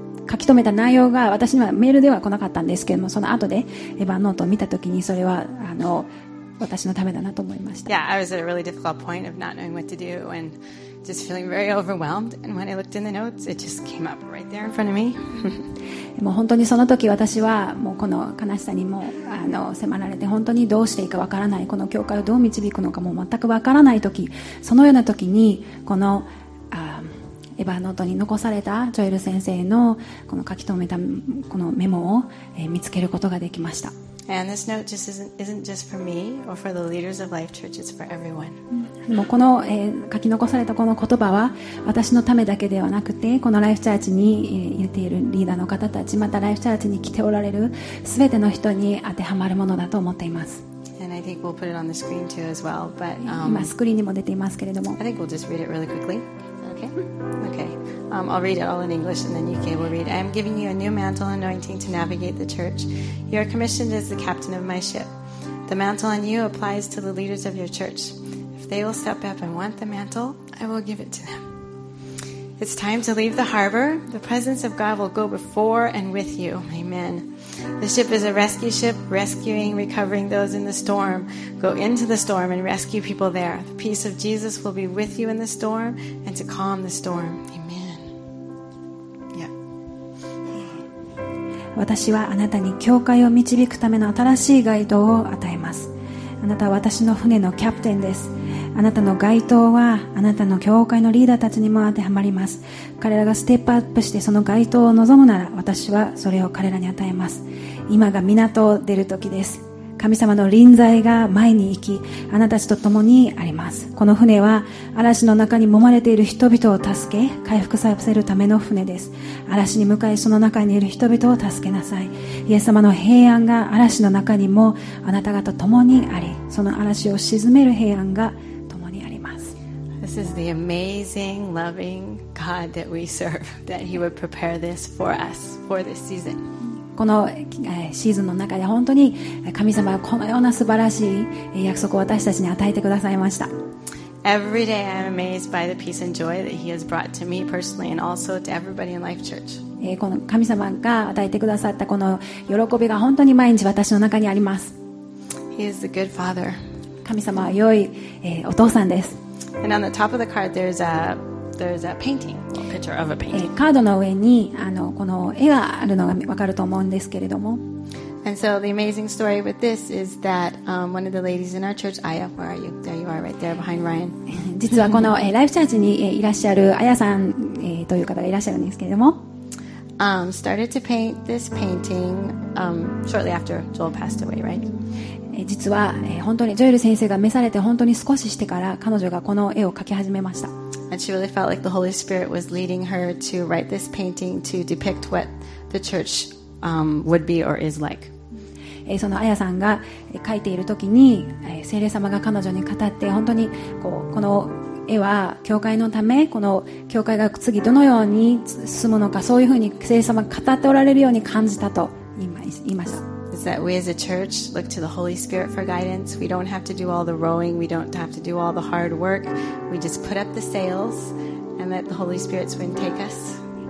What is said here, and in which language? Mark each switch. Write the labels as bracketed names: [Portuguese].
[Japanese] 書き留めた内容が私にはメールでは来なかったんですけれども、その後でエヴァノートを見たときにそれは私のためだなと思いました。 [English] Yeah, I was at a really difficult point of not knowing what to do andJust feeling very overwhelmed, and when I looked in the notes, it just came up right there in front of me. [Japanese] もう本当にその時私はもうこの悲しさにも迫られて本当にどうしていいかわからないこの教会をどう導くのかも全くわからない時そのような時にこのエヴァノートに残されたジョエル先生のこの書き留めたこのメモを見つけることができました。 [English] And this note just isn't just for me or for the leaders of Life Church. It's for everyone. [Japanese] もうこの、書き残されたこの言葉は私のためだけではなくて、このライフチャーチに、いているリーダーの方たち、またライフチャーチに来ておられるすべての人に当てはまるものだと思っています。 [English] And I think we'll put it on the screen too as well. But [Japanese] 今スクリーンにも出ていますけれども。 [English] I think we'll just read it really quickly. Okay. I'll read it all in English and then UK will read. I am giving you a new mantle anointing to navigate the church. You are commissioned as the captain of my ship. The mantle on you applies to the leaders of your church. If they will step up and want the mantle, I will give it to them. It's time to leave the harbor. The presence of God will go before and with you. Amen. The ship is a rescue ship, rescuing, recovering those in the storm. Go into the storm and rescue people there. The peace of Jesus will be with you in the storm and to calm the storm. Amen. [Japanese] 私はあなたに教会を導くための新しい街灯を与えます。あなたは私の船のキャプテンです。あなたの街灯はあなたの教会のリーダーたちにも当てはまります。彼らがステップアップしてその街灯を望むなら私はそれを彼らに与えます。今が港を出る時です。神様の臨在が前に行きあなたたちと共にあります。この船は嵐の中に揉まれている人々を助け回復させるための船です。嵐に向かいその中にいる人々を助けなさい。イエス様の平安が嵐の中にもあなた方と共にありその嵐を鎮める平安が共にあります。 [English] This is the amazing loving God that we serve, that he would prepare this for us for this season [Japanese] このシーズンの中で本当に神様はこのような素晴らしい約束を私たちに与えてくださいました。 [English] Every day I'm amazed by the peace and joy that he has brought to me personally and also to everybody in Life Church. [Japanese] この神様が与えてくださったこの喜びが本当に毎日私の中にあります。 [English] He is a good father. [Japanese] 神様は良いお父さんです。 [English] And on the top of the card there's aThere's a painting, a picture of a painting. [Japanese] カードの上にこの絵があるのが分かると思うんですけれども。 [English] And so the amazing story with this is that one of the ladies in our church, Aya, where are you? There you are, right there behind Ryan. [Japanese] 実はこのライフチャーチにいらっしゃるアヤさんという方がいらっしゃるんですけれども。 [English] Started to paint this painting shortly after Joel passed away, right? [Japanese] 実は本当にジョエル先生が召されて本当に少ししてから彼女がこの絵を描き始めました。 [English] And she really felt like the Holy Spirit was leading her to write this painting to depict what the church would be or is like. [Japanese] そのアヤさんが描いているときに、聖霊様が彼女に語って、本当にこの絵は教会のため、この教会が次どのように進むのか、そういうふうに聖霊様が語っておられるように感じたと言いました。 [English] Is that we as a church look to the Holy Spirit for guidance. We don't have to do all the rowing. We don't have to do all the hard work. We just put up the sails and let the Holy Spirit's wind take us.